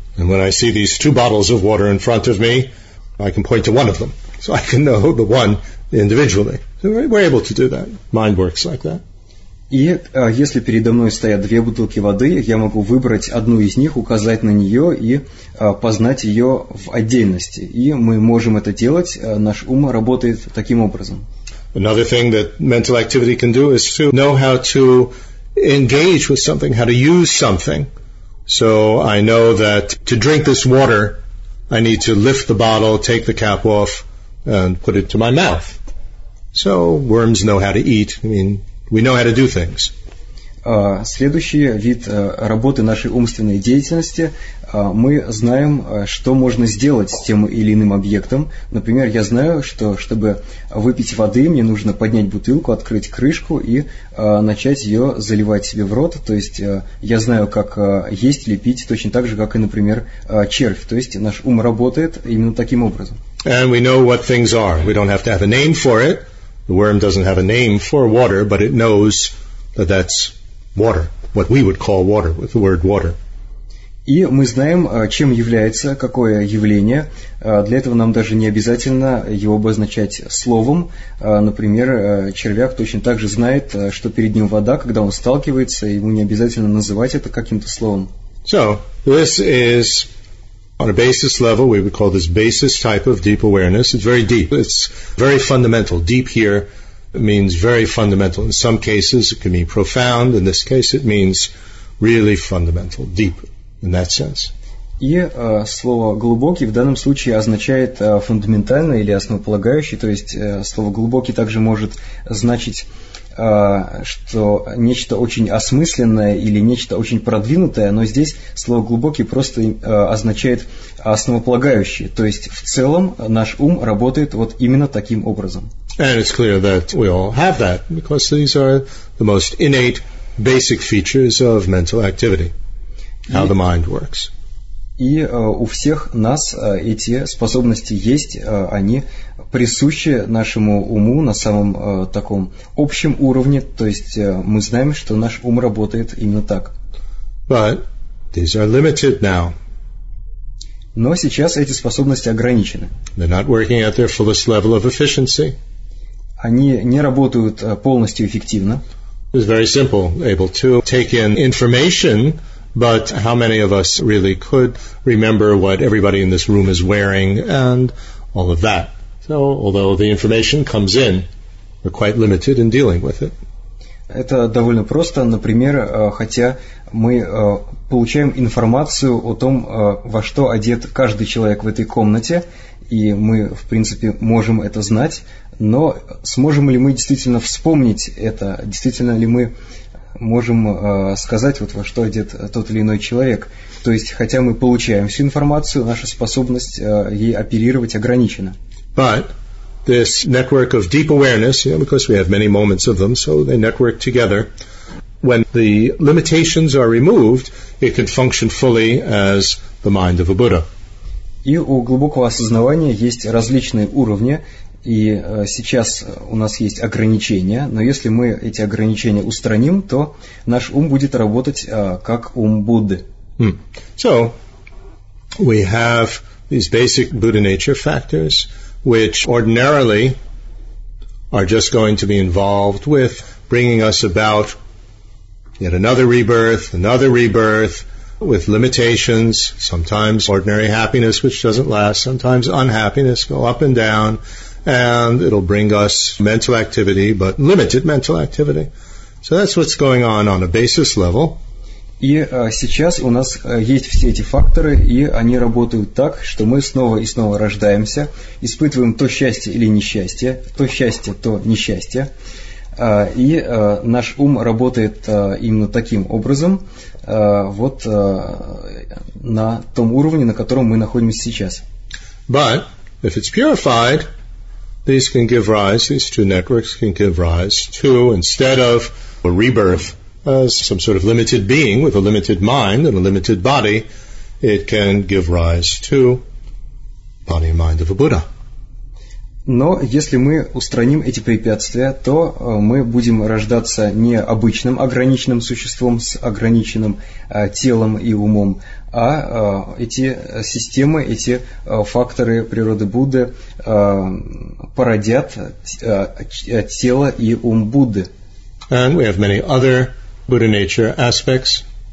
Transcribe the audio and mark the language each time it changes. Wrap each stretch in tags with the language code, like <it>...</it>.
<en>And when I see these two bottles of water in front of me, I can point to one of them, so I can know the one individually. So we're able to do that. Mind works like that.</en> <ru>И если передо мной стоят две бутылки воды, я могу выбрать одну из них, указать на нее и познать ее в отдельности. И мы можем это делать, наш ум работает таким образом.</ru> <en>Another thing that mental activity can do is to know how to engage with something, how to use something. So I know that to drink this water, I need to lift the bottle, take the cap off, and put it to my mouth. So worms know how to eat, I mean... We know how to do things.</en> <ru>Следующий вид работы нашей умственной деятельности. Мы знаем, что можно сделать с тем или иным объектом. Например, я знаю, что чтобы выпить воды, мне нужно поднять бутылку, открыть крышку и начать ее заливать себе в рот. То есть я знаю, как есть или пить, точно так же, как и, например, червь. То есть наш ум работает именно таким образом.</ru> <en>And we know what things are. We don't have to have a name for it. The worm doesn't have a name for water, but it knows that that's water, what we would call water, with the word water.</en> <ru>И мы знаем, чем является какое явление. Для этого нам даже не обязательно его обозначать словом. Например, червяк точно так же знает, что перед ним вода, когда он сталкивается, ему не обязательно называть это каким-то словом.</ru> <en>So, this is, on a basis level, we would call this basis type of deep awareness. It's very deep. It's very fundamental. Deep here means very fundamental. In some cases, it can mean profound. In this case, it means really fundamental, deep in that sense.</en> <ru>И слово «глубокий» в данном случае означает «фундаментально» или «основополагающий». То есть слово «глубокий» также может значить... что нечто очень осмысленное или нечто очень продвинутое, но здесь слово «глубокий» просто означает «основополагающее». То есть, в целом, наш ум работает вот именно таким образом.</ru> <en>And it's clear that we all have that, because these are the most innate basic features of mental activity, how the mind works.</en> <ru>И у всех нас эти способности есть, они присущи нашему уму на самом таком общем уровне, то есть мы знаем, что наш ум работает именно так.</ru> <en>But these are limited now.</en> <ru>Но сейчас эти способности ограничены.</ru> <en>They're not working at their fullest level of efficiency.</en> <ru>Они не работают полностью эффективно.</ru> <en>It's very simple, able to take in information. But how many of us really could remember what everybody in this room is wearing and all of that? So, although the information comes in, we're quite limited in dealing with it.</en> <ru>Это довольно просто. Например, хотя мы получаем информацию о том, во что одет каждый человек в этой комнате, и мы, в принципе, можем это знать, но сможем ли мы действительно вспомнить это? Действительно ли мы... можем сказать, вот во что одет тот или иной человек. То есть, хотя мы получаем всю информацию, наша способность ей оперировать ограничена.</ru> <en>But this network of deep awareness, you know, because we have many moments of them, so they network together. When the limitations are removed, it can function fully as the mind of a Buddha.</en> <ru>И у глубокого осознавания есть различные уровни. И сейчас у нас есть ограничения, но если мы эти ограничения устраним, то наш ум будет работать как ум Будды.</ru> <en>So, we have these basic Buddha nature factors, which ordinarily are just going to be involved with bringing us about yet another rebirth, with limitations, sometimes ordinary happiness, which doesn't last, sometimes unhappiness, go up and down, and it'll bring us mental activity, but limited mental activity. So that's what's going on a basis level.</en> <ru>И сейчас у нас есть все эти факторы, и они работают так, что мы снова и снова рождаемся, испытываем то счастье или несчастье, то счастье, то несчастье. И наш ум работает именно таким образом, вот на том уровне, на котором мы находимся сейчас.</ru> <en>But if it's purified, these can give rise, these two networks can give rise to, instead of a rebirth as some sort of limited being with a limited mind and a limited body, it can give rise to body and mind of a Buddha.</en> <ru>Но если мы устраним эти препятствия, то мы будем рождаться не обычным ограниченным существом с ограниченным телом и умом, а эти системы, эти факторы природы Будды породят тело и ум Будды.</ru> <en>And we have many other Buddha nature aspects.</en>